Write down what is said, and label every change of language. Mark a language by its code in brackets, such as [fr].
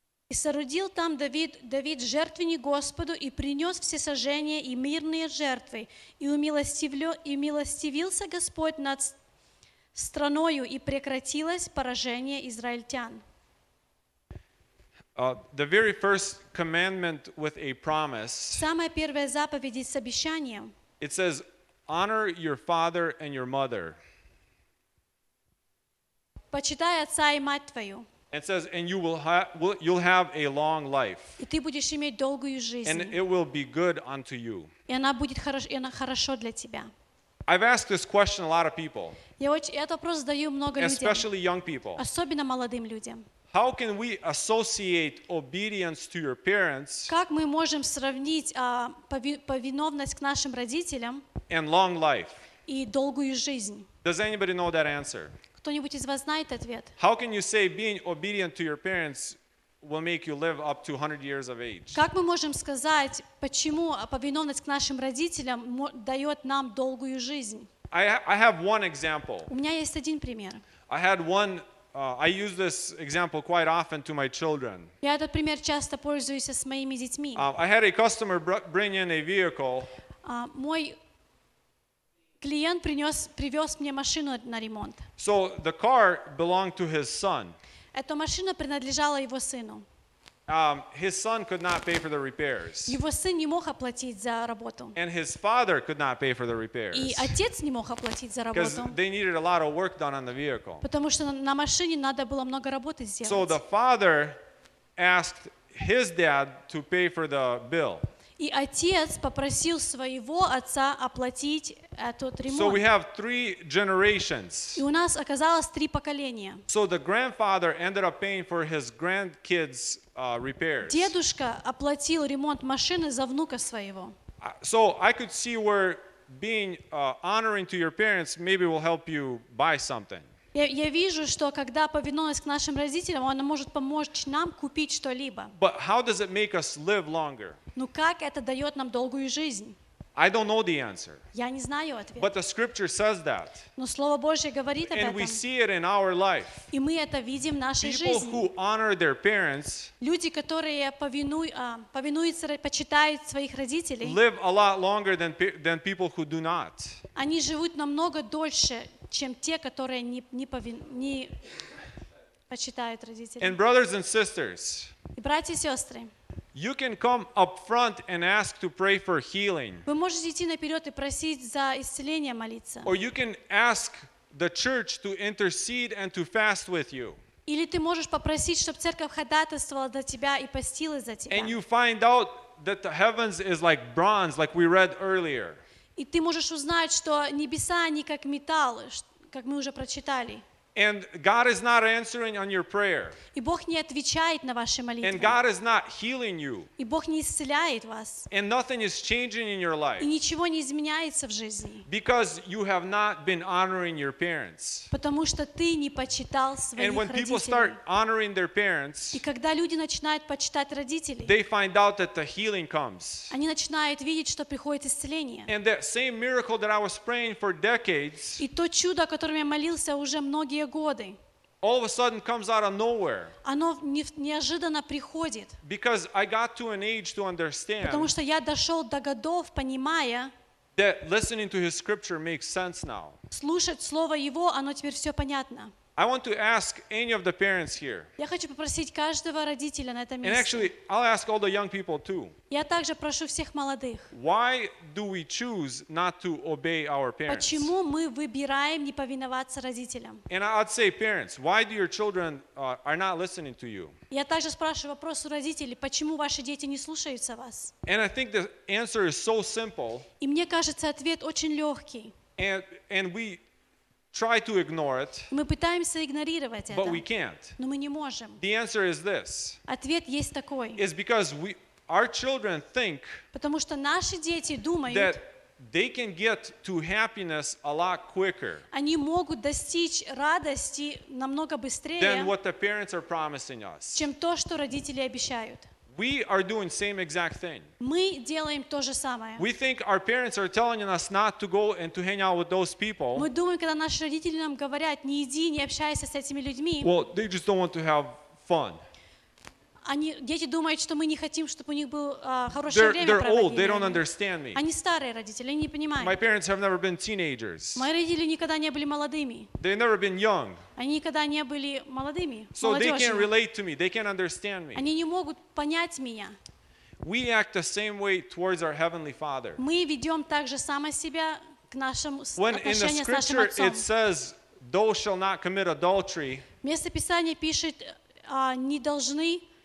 [ru] И соорудил там Давид жертвенник Господу и принес все сожжения и мирные жертвы и умилостивился Господь над страною и прекратилось поражение израильтян. [en] The very first commandment with a promise. [ru] Самая первая заповедь с обещанием. [en] It says, honor your father and your mother. [ru] Почитай отца и мать твою. [en] It says, and you you'll have a long life. [ru] И ты будешь иметь долгую жизнь. [en] And it will be good unto you. [ru] И она будет хорошо, и она хорошо для тебя. [en] I've asked this question a lot of people. [ru] Я этот вопрос задаю много людям. [en] Especially young people. [ru] Особенно молодым людям. [en] How can we associate obedience to your parents? [ru] Как мы можем сравнить повиновность к нашим родителям? [en] And long life. [ru] И долгую жизнь. [en] Does anybody know that answer? [ru] Кто-нибудь из вас знает ответ? [en] How can you say being obedient to your parents will make you live up to 100 years of age? [ru] Как мы можем сказать, почему повиновность к нашим родителям дает нам долгую жизнь? [en] I have one example. [ru] У меня есть один пример. [en] I had one. I use this example quite often to my children. [ru] Я этот пример часто пользуюсь с моими детьми. [en] I had a customer bring in a vehicle. [ru] Мой клиент привез мне машину на ремонт. [en] So the car belonged to his son. [ru] Эта машина принадлежала его сыну. [en] His son could not pay for the repairs. [ru] Его сын не мог оплатить за работу. [en] And his father could not pay for the repairs. [ru] И отец не мог оплатить за работу. [en] Because they needed a lot of work done on the vehicle. [ru] Потому что на машине надо было много работы сделать. [en] So the father asked his dad to pay for the bill. [ru] И отец попросил своего отца оплатить этот ремонт. [en] So we have three generations. [ru] И у нас оказалось три поколения. [en] So the grandfather ended up paying for his grandkids' repairs. [ru] Дедушка оплатил ремонт машины за внука своего. [en] So I could see where being honoring to your parents maybe will help you buy something. [ru] Я вижу, что когда повинуясь к нашим родителям, она может помочь нам купить что-либо. [en] But how does it make us live longer? [ru] Ну как это дает нам долгую жизнь? [en] I don't know the answer. [ru] Я не знаю ответ. [en] But the scripture says that. [ru] Но Слово Божье говорит об этом. [en] And we see it in our life. [ru] И мы это видим в нашей жизни. [en] People who honor their parents. [ru] Люди, которые повинуются, почитают своих родителей. [en] Live a lot longer than people who do not. [ru] Они живут намного дольше, чем те, которые не почитают родителей. [en] And brothers and sisters. [ru] И братья и сестры. [en] You can come up front and ask to pray for healing. [ru] Вы можете идти наперед и просить за исцеление молиться. [en] Or you can ask the church to intercede and to fast with you. [ru] Или ты можешь попросить, чтобы церковь ходатайствовала за тебя и постилась за тебя. [en] And you find out that the heavens is like bronze, like we read earlier. [ru] И ты можешь узнать, что небеса они как металл, как мы уже прочитали. [en] And God is not answering on your prayer. [ru] И Бог не отвечает на ваши молитвы. [en] And God is not healing you. [ru] И Бог не исцеляет вас. [en] And nothing is changing in your life. [ru] И ничего не изменяется в жизни. [en] Because you have not been honoring your parents. [ru] Потому что ты не почитал своих родителей. [en] And when people start honoring their parents, [ru] и когда люди начинают почитать родителей, [en] they find out that the healing comes. [ru] Они начинают видеть, что приходит исцеление. [en] And that same miracle that I was praying for decades, [ru] и то чудо, о котором я молился уже многие годы. [en] All of a sudden comes out of nowhere. [ru] Оно неожиданно приходит. [en] Because I got to an age to understand. [ru] Потому что я дошел до годов, понимая. [en] That listening to his scripture makes sense now. [ru] Слушать слово его, оно теперь все понятно. [en] I want to ask any of the parents here. [ru] Я хочу попросить каждого родителя на этом месте. [en] And actually, I'll ask all the young people too. [ru] Я также прошу всех молодых. [en] Why do we choose not to obey our parents? [ru] Почему мы выбираем не повиноваться родителям? [en] And I'd say, parents, why do your children are not listening to you? [ru] Я также спрашиваю вопрос у родителей, почему ваши дети не слушаются вас? [en] And I think the answer is so simple. [ru] И мне кажется, ответ очень легкий. [en] And we try to ignore it. [ru] Мы пытаемся игнорировать это. [en] But we can't. [ru] Но мы не можем. [en] The answer is this. [ru] Ответ есть такой. [en] It's because our children think. [ru] Потому что наши дети думают. [en] That they can get to happiness a lot quicker. [ru] Они могут достичь радости намного быстрее. [en] Than what the parents are promising us. [ru] Чем то, что родители обещают. [en] We are doing the same exact thing. [ru] Мы делаем то же самое. [en] We think our parents are telling us not to go and to hang out with those people. [ru] Мы думаем, когда наши родители нам говорят, не иди, не общайся с этими людьми. [en] Well, they just don't want to have fun. [ru] Они, дети думают, что мы не хотим, чтобы у них было хорошее [en] they're, [ru] время [en] they're [ru] проводили. [en] Old, they don't understand me. [ru] Они старые родители, они не понимают. [en] My parents have never been teenagers. [ru] Мои родители никогда не были молодыми. [en] They've never been young. [ru] Они никогда не были молодыми. [en] So [ru] молодежью. [en] They can't relate to me. They can't understand me. [ru] Они не могут понять меня. [en] We act the same way towards our heavenly Father. [ru] Мы ведем так же само себя к нашему отношению с нашим Отцом. [en] When in the scripture it says, "Thou shall not commit adultery." [ru] Место Писания пишет, не должны